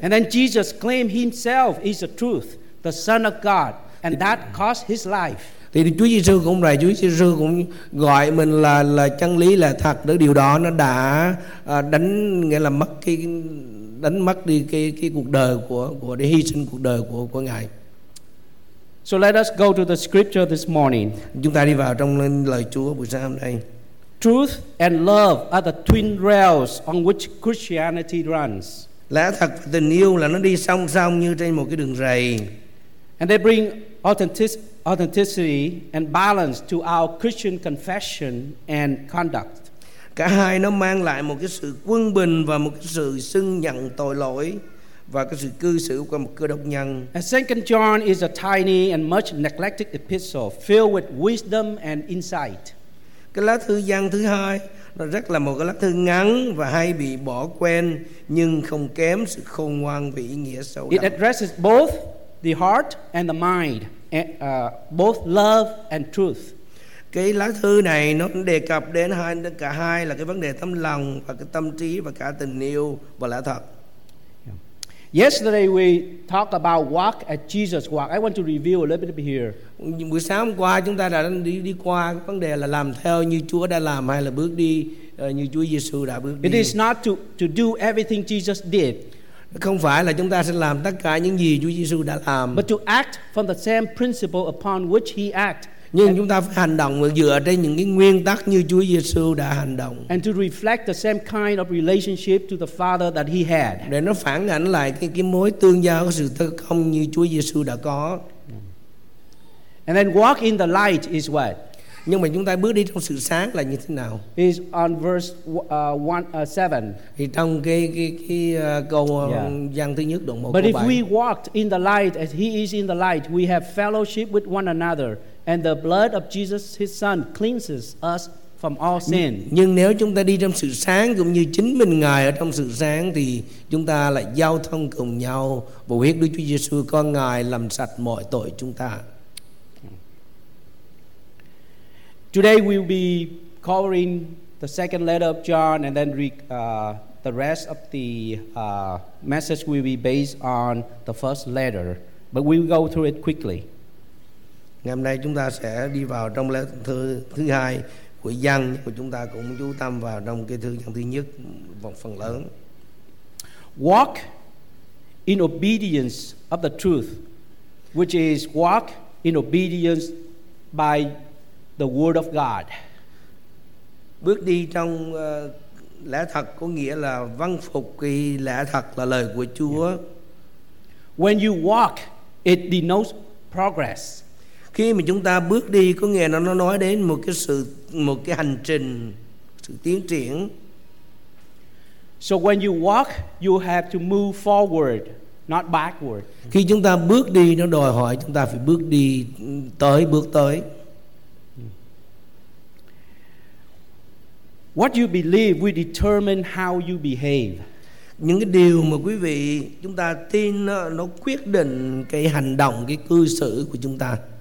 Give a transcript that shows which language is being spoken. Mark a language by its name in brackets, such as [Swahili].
[English] And then Jesus claimed Himself is the truth, the Son of God, and that cost His life. [Vietnamese] Thì Chúa Giêsu cũng rồi Chúa Giêsu cũng gọi mình là chân lý là thật để điều đó nó đã đánh nghĩa là mất cái đánh mất đi cái cuộc đời của để hy sinh cuộc đời của Ngài. [English] So let us go to the scripture this morning. [Vietnamese] Chúng ta đi vào trong lời Chúa buổi sáng hôm nay. [English] Truth and love are the twin rails on which Christianity runs. [Vietnamese] Lẽ thật và tình yêu là nó đi song song như trên một cái đường rầy. [English] And they bring authenticity and balance to our Christian confession and conduct. [Vietnamese] Cả hai nó mang lại một cái sự quân bình và một cái sự xưng nhận tội lỗi và cái sự cư xử của một cơ đốc nhân. [English] Second John is a tiny and much neglected epistle filled with wisdom and insight. [Vietnamese] Cái lá thư Giăng thứ hai nó rất là một cái lá thư ngắn và hay bị bỏ quên nhưng không kém sự khôn ngoan và ý nghĩa sâu đậm. [English] It addresses both the heart and the mind, both love and truth. [Vietnamese] Cái lá thư này nó đề cập đến cả hai là cái vấn đề tâm lòng và cái tâm trí và cả tình yêu và lẽ thật. [English] Yesterday we talked about walk as Jesus walked. I want to review a little bit here. [Vietnamese] Buổi sáng hôm qua chúng ta đã đi qua vấn đề là làm theo như Chúa đã làm hay là bước đi như Chúa Giêsu đã bước đi. [English] It is not to do everything Jesus did. [Vietnamese] Không phải là chúng ta sẽ làm tất cả những gì Chúa Giêsu đã làm. [English] But to act from the same principle upon which He act. [Vietnamese] Nhưng chúng ta phải hành động dựa trên những cái nguyên tắc như Chúa Giêsu đã hành động. [English] And to reflect the same kind of relationship to the Father that He had. [Vietnamese] Để nó phản ảnh lại cái mối tương giao sự thật không như Chúa Giêsu đã có. [English] And then walk in the light is what? [Vietnamese] Nhưng mà chúng ta bước đi trong sự sáng là như thế nào? [English] Is on verse 1:7. [Vietnamese] Thì trong câu văn thứ nhất đoạn 1 câu 7. [English] But if we walked in the light as He is in the light, we have fellowship with one another. And the blood of Jesus, His Son, cleanses us from all sin. [Vietnamese] Nhưng nếu chúng ta đi trong sự sáng cũng như chính mình Ngài ở trong sự sáng thì chúng ta lại giao thông cùng nhau và huyết Đức Chúa Giêsu con Ngài làm sạch mọi tội chúng ta. [English] Today we'll be covering the second letter of John and then the rest of the message will be based on the first letter. But we'll go through it quickly. [Vietnamese] Ngày hôm nay chúng ta sẽ đi vào trong lá thư thứ hai của Giăng và chúng ta cũng chú tâm vào trong cái thư Giăng thứ nhất phần lớn. [English] Walk in obedience of the truth, which is walk in obedience by the word of God. [Vietnamese] Bước đi trong lẽ thật có nghĩa là văn phục cái lẽ thật là lời của Chúa. [English] Yeah. When you walk, it denotes progress. [Vietnamese] Khi mà chúng ta bước đi có nghĩa là nó nói đến một cái hành trình, sự tiến triển. [English] So when you walk, you have to move forward, not backward. [Vietnamese] Khi chúng ta bước đi nó đòi hỏi chúng ta phải bước đi tới bước tới. [English] What you believe will determine how you behave. [Vietnamese] Những cái điều mà quý vị chúng ta tin nó quyết định cái hành động, cái cư xử của chúng ta.